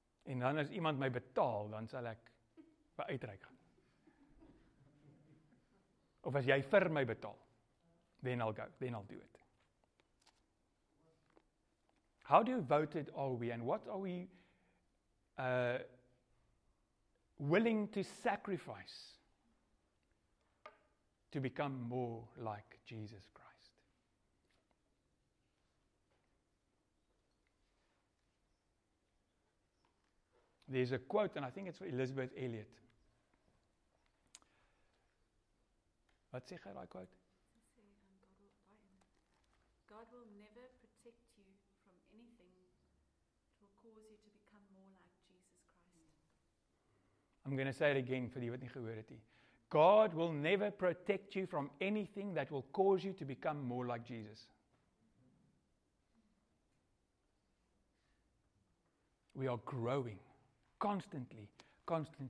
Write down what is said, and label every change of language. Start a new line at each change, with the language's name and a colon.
Afrikaans: En dan as iemand my betaal, dan sal ek by uitreik gaan. Of as jy vir my betaal,
English: then I'll go, then I'll do it. How devoted are we and what are we willing to sacrifice to become more like Jesus Christ? There's a quote, and I think it's for Elizabeth Elliot.
Afrikaans: Wat sê gij daai quote?
English: God will never protect you from anything that will cause you to become more like Jesus Christ. I'm going to say it again
Afrikaans: vir die wat nie gehoor het nie.
English: God will never protect you from anything that will cause you to become more like Jesus. We are growing, constantly growing.